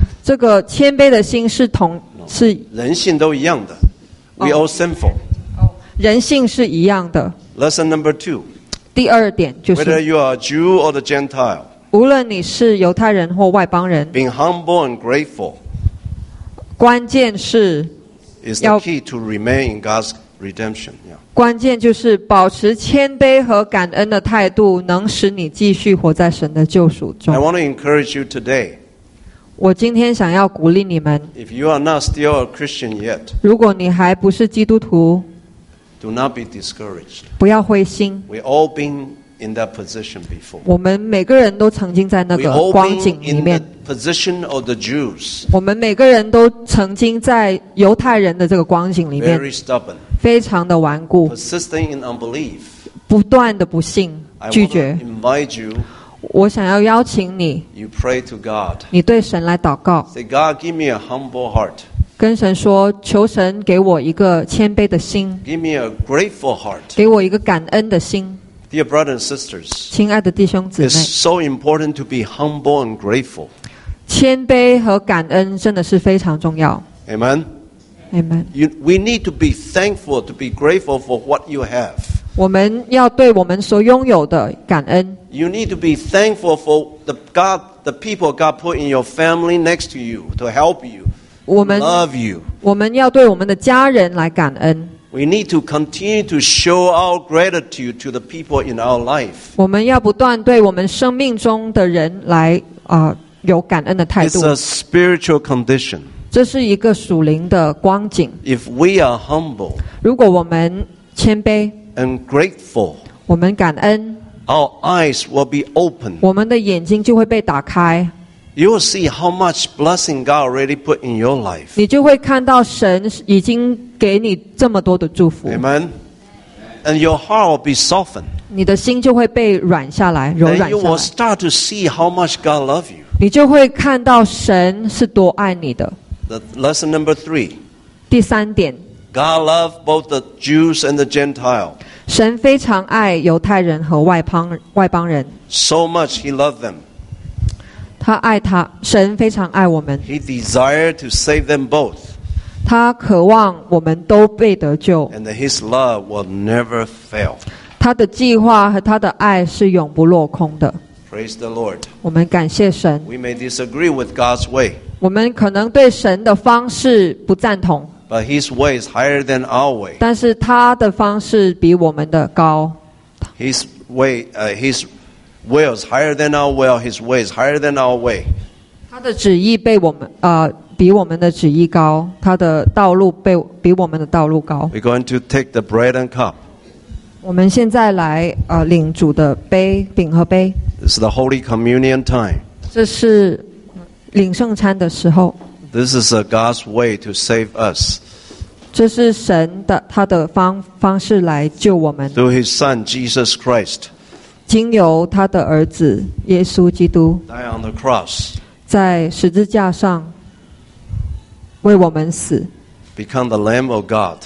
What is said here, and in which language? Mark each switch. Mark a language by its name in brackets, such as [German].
[Chinese] 这个谦卑的心是同是。人性都一样的。 [English] We all sinful. [Chinese] 人性是一样的。 [English] Lesson number two. [Chinese] 第二点就是。 [English] Whether you are Jew or the Gentile. [Chinese] 无论你是犹太人或外邦人。 [English] Being humble and grateful. [Chinese] 关键是 [English] is the key to remain in God's redemption. [Chinese] 关键就是保持谦卑和感恩的态度，能使你继续活在神的救赎中。 [English] I want to encourage you today. [Chinese] 我今天想要鼓励你们。 [English] If you are not still a Christian yet, [Chinese] 如果你还不是基督徒 [English] ，do not be discouraged. [Chinese] 不要灰心。 [English] We've all been in that position before. [Chinese] 我们每个人都曾经在那个光景里面。 [English] Position of the Jews. [Chinese] 我们每个人都曾经在犹太人的这个光景里面 [English] Very stubborn. [Chinese] 非常的顽固 [English] Persisting in unbelief. [Chinese] 不断的不信拒绝 [English] I want to invite you. [Chinese] 我想要邀请你 [English] You pray to God. [Chinese] 你对神来祷告 [English] Say God give me a humble heart. [Chinese] 跟神说求神给我一个谦卑的心 [English] Give me a grateful heart. [Chinese] 给我一个感恩的心 [English] Dear brothers and sisters, [Chinese] 亲爱的弟兄姊妹 [English] it's so important to be humble and grateful. [Chinese] 谦卑和感恩真的是非常重要。 [English] Amen. Amen. We need to be thankful, to be grateful for what you have. [Chinese] 我们要对我们所拥有的感恩。 [English] You need to be thankful for the people God put in your family next to you to help you, love you. [Chinese] 我们要对我们的家人来感恩。 [English] We need to continue to show our gratitude to the people in our life. [Chinese] 我们要不断对我们生命中的人来有感恩的态度。 [English] It's a spiritual condition. [Chinese] 这是一个属灵的光景。 [English] If we are humble, [Chinese] 如果我们谦卑 [English] and grateful, [Chinese] 我们感恩 [English] our eyes will be open. [Chinese] 我们的眼睛就会被打开。 [English] You will see how much blessing God already put in your life. [Chinese] 你就会看到神已经给你这么多的祝福。 [English] Amen. And your heart will be softened. [Chinese] 你的心就会被软下来，柔软下来。 [English] And you will start to see how much God loves you. [Chinese] 你就会看到神是多爱你的。 [English] The lesson number three. [Chinese] 第三点。 [English] God loves both the Jews and the Gentiles. [Chinese] 神非常爱犹太人和外邦人。 [English] So much he loved them. [Chinese] 他爱他，神非常爱我们。 [English] He desired to save them both. [Chinese] 他渴望我们都被得救。 [English] And that his love will never fail. [Chinese] 他的计划和他的爱是永不落空的。 [English] Praise the Lord. [Chinese] 我们感谢神。 [English] We may disagree with God's way. [Chinese] 我们可能对神的方式不赞同。 [English] But his way is higher than our way. [Chinese] 但是他的方式比我们的高。 [English] His way, his will is higher than our will. His way is higher than our way. [Chinese] 他的旨意被我们比我们的旨意高，他的道路比我们的道路高。 [English] We're going to take the bread and cup. [Chinese] 我们现在来领主的杯饼和杯。 [English] This is the Holy Communion time. [Chinese] 这是领圣餐的时候。 [English] This is a God's way to save us. [Chinese] 这是神的他的方式来救我们。 [English] Through His Son Jesus Christ. [Chinese] 经由他的儿子耶稣基督。 [English] Die on the cross. [Chinese] 在十字架上为我们死。 [English] Become the Lamb of God.